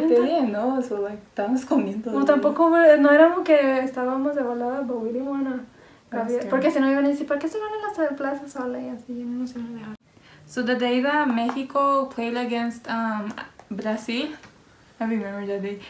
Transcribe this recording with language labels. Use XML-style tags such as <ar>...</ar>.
<en>Yeah, like they didn't know, so like,</en> <es>estaban escondiendo. No, tampoco, no éramos que estábamos de volada,</es> <en>but we didn't wanna.</en> <es>Porque si no iban a decir, ¿por qué se van a las plazas sola? Y así, ya no se van a dejar.</es> <en>So the day that Mexico played against Brasil, I remember that day.</en>